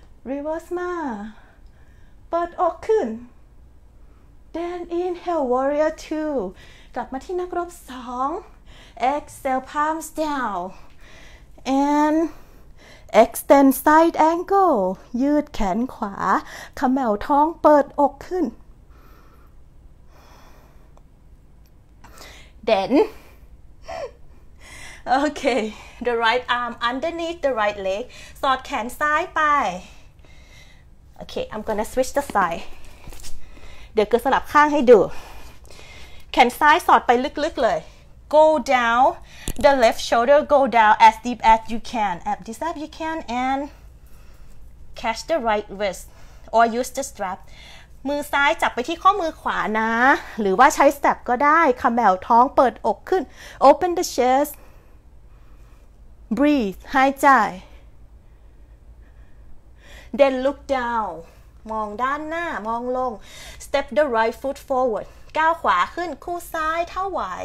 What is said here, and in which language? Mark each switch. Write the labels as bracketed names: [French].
[English] reverse [Thai] มาเปิดอกขึ้น [English] then inhale warrior 2 [Thai] กลับมาที่นักรบ2 [English] exhale palms down and extend side angle [Thai] ยืดแขนขวาขมับท้องเปิดอกขึ้น [English] thenOkay, the right arm underneath the right leg. [Thai] สอดแขนซ้ายไป [English] Okay, I'm gonna switch the side. [Thai] เดี๋ยวเกิดสลับข้างให้ดูแขนซ้ายสอดไปลึกๆเลย [English] Go down the left shoulder. Go down as deep as you can. As deep as you can and catch the right wrist or use the strap. [Thai] มือซ้ายจับไปที่ข้อมือขวานะหรือว่าใช้สแตรปก็ได้ขมับท้องเปิดอกขึ้น [English] Open the chestBreathe, [Thai] หายใจ [English] Then look down, [Thai] มองด้านหน้ามองลง [English] Step the right foot forward, [Thai] ก้าวขวาขึ้นคู่ซ้ายเท่าไหว